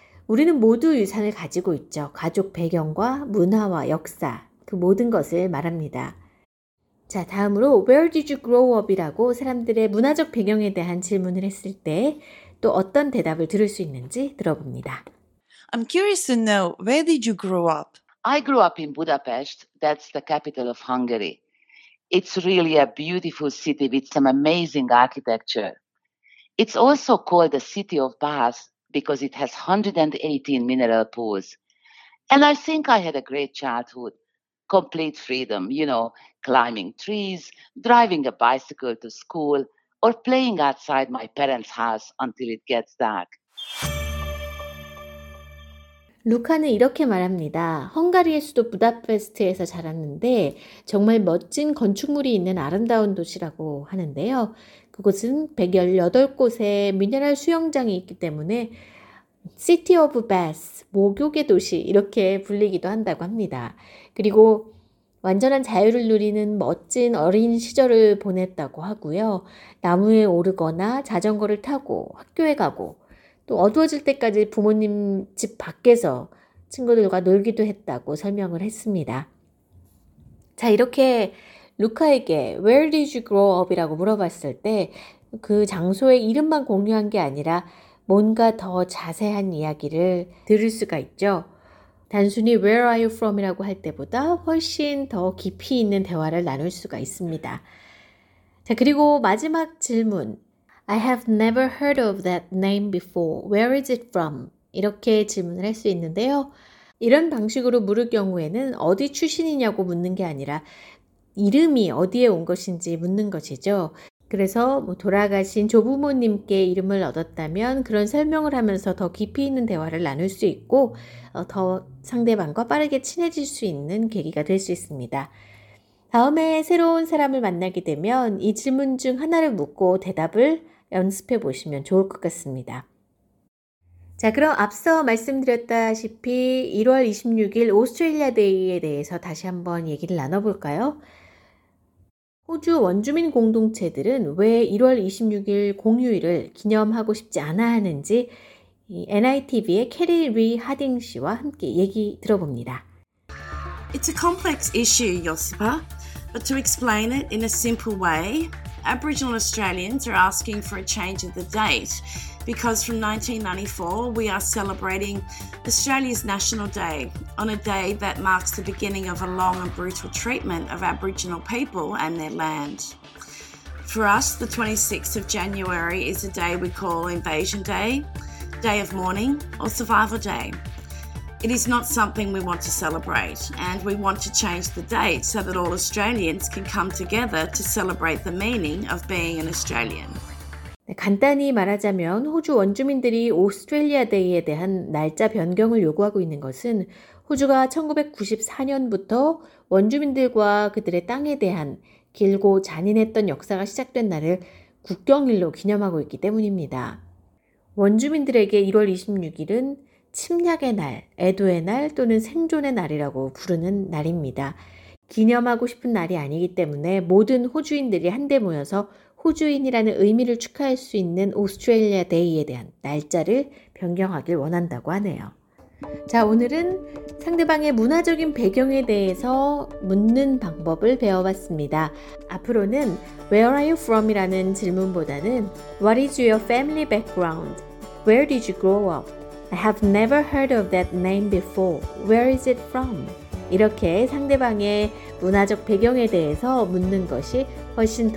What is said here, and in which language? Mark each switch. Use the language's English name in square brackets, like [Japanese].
[Korean] 우리는 모두 유산을 가지고 있죠. 가족 배경과 문화와 역사, 그 모든 것을 말합니다. 자, 다음으로 [English] Where did you grow up? [Korean] 이라고 사람들의 문화적 배경에 대한 질문을 했을 때 또 어떤 대답을 들을 수 있는지 들어봅니다. [English] I'm curious to know, where did you grow up? I grew up in Budapest. That's the capital of Hungary. It's really a beautiful city with some amazing architecture. It's also called the city of baths because it has 118 mineral pools. And I think I had a great childhood, complete freedom, you know, climbing trees, driving a bicycle to school, or playing outside my parents' house until it gets dark. [Korean] 루카는 이렇게 말합니다. 헝가리의 수도 부다페스트에서 자랐는데 정말 멋진 건축물이 있는 아름다운 도시라고 하는데요. 그곳은 118곳의 미네랄 수영장이 있기 때문에 [English] City of Baths, [Korean] 목욕의 도시 이렇게 불리기도 한다고 합니다. 그리고 완전한 자유를 누리는 멋진 어린 시절을 보냈다고 하고요. 나무에 오르거나 자전거를 타고 학교에 가고 또 어두워질 때까지 부모님 집 밖에서 친구들과 놀기도 했다고 설명을 했습니다. 자, 이렇게 루카에게 [English] Where did you grow up? [Korean] 이라고 물어봤을 때 그 장소의 이름만 공유한 게 아니라 뭔가 더 자세한 이야기를 들을 수가 있죠. 단순히 [English] Where are you from? [Korean] 이라고 할 때보다 훨씬 더 깊이 있는 대화를 나눌 수가 있습니다. 자, 그리고 마지막 질문. [English] I have never heard of that name before. Where is it from? [Korean] 이렇게 질문을 할 수 있는데요. 이런 방식으로 물을 경우에는 어디 출신이냐고 묻는 게 아니라 이름이 어디에 온 것인지 묻는 것이죠. 그래서 뭐 돌아가신 조부모님께 이름을 얻었다면 그런 설명을 하면서 더 깊이 있는 대화를 나눌 수 있고 더 상대방과 빠르게 친해질 수 있는 계기가 될 수 있습니다. 다음에 새로운 사람을 만나게 되면 이 질문 중 하나를 묻고 대답을 연습해 보시면 좋을 것 같습니다. 자, 그럼 앞서 말씀드렸다시피 1월 26일 오스트레일리아 데이에 대해서 다시 한번 얘기를 나눠볼까요? 호주 원주민 공동체들은 왜 1월 26일 공휴일을 기념하고 싶지 않아 하는지 NITV의 캐리 리 하딩 씨와 함께 얘기 들어봅니다. [English] It's a complex issue, Yosipa. But to explain it in a simple way, Aboriginal Australians are asking for a change of the date because from 1994 we are celebrating Australia's National Day on a day that marks the beginning of a long and brutal treatment of Aboriginal people and their land. For us, the 26th of January is a day we call Invasion Day, Day of Mourning, or Survival Day. It is not something we want to celebrate, and we want to change the date so that all Australians can come together to celebrate the meaning of being an Australian. [Korean] 네, 간단히 말하자면 호주 원주민들이 오스트레일리아 데이에 대한 날짜 변경을 요구하고 있는 것은 호주가 1994년부터 원주민들과 그들의 땅에 대한 길고 잔인했던 역사가 시작된 날을 국경일로 기념하고 있기 때문입니다. 원주민들에게 1월 26일은 침략의 날, 애도의 날 또는 생존의 날이라고 부르는 날입니다. 기념하고 싶은 날이 아니기 때문에 모든 호주인들이 한데 모여서 호주인이라는 의미를 축하할 수 있는 오스트레일리아 데이에 대한 날짜를 변경하길 원한다고 하네요. 자, 오늘은 상대방의 문화적인 배경에 대해서 묻는 방법을 배워봤습니다. 앞으로는 [English] Where are you from? [Korean] 이라는 질문보다는 [English] What is your family background? Where did you grow up? I have never heard of that name before. Where is it from? [Korean] 이렇게 상대방의 문화적 배경에 대해서 묻는 것이 훨씬 더 깊이 있고 더 즐거운 대화를 이어나갈 수 있게 한다는 것